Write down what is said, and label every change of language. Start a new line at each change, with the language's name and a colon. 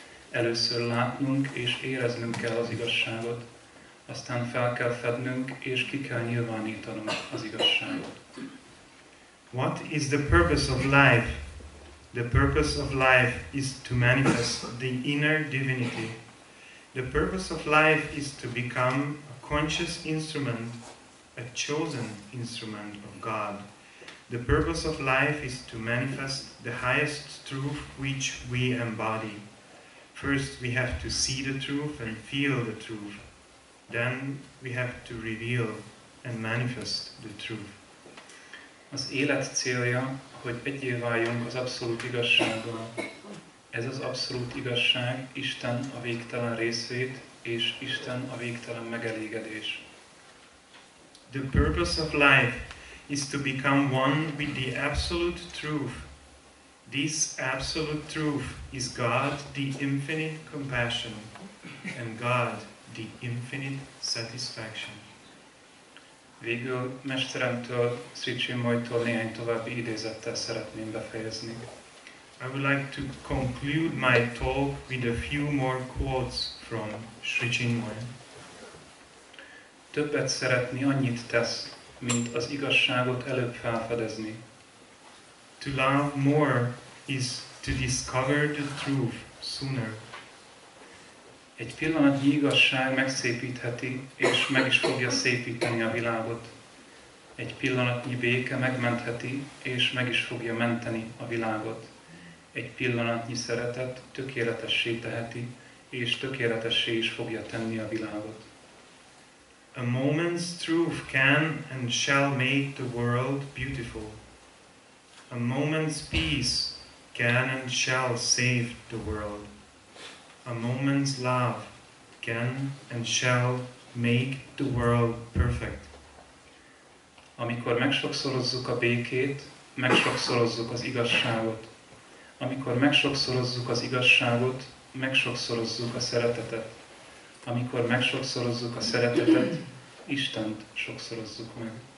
Hungarian: Először látnunk és éreznünk kell az igazságot, aztán fel kell fednünk, és ki kell nyilvánítanunk az igazságot.
English: What is the purpose of life? The purpose of life is to manifest the inner divinity. The purpose of life is to become a conscious instrument, a chosen instrument of God. The purpose of life is to manifest the highest truth which we embody. First, we have to see the truth and feel the truth. Then we have to reveal and manifest the truth.
Hungarian: Az élet célja, hogy egyé váljunk az abszolút igazsággal. Ez az abszolút igazság Isten a végtelen részvét és Isten a végtelen megelégedés.
English: The purpose of life is to become one with the absolute truth. This absolute truth is God, the infinite compassion, and God, the infinite satisfaction.
Hungarian: Végül mesteremtől, Szécsi Majtól néhány további idézettel szeretném befejezni.
English: I would like to conclude my talk with a few more quotes from Sri Chinmoy.
Hungarian: Többet szeretni annyit tesz, mint az igazságot előbb felfedezni.
English: To love more is to discover the truth sooner.
Hungarian: Egy pillanatnyi igazság megszépítheti és meg is fogja szépíteni a világot. Egy pillanatnyi béke megmentheti és meg is fogja menteni a világot. Egy pillanatnyi szeretet tökéletessé teheti, és tökéletessé is fogja tenni a világot.
English: A moment's truth can and shall make the world beautiful. A moment's peace can and shall save the world. A moment's love can and shall make the world perfect.
Hungarian: Amikor megsokszorozzuk a békét, megsokszorozzuk az igazságot. Amikor megsokszorozzuk az igazságot, megsokszorozzuk a szeretetet. Amikor megsokszorozzuk a szeretetet, Istent sokszorozzuk meg.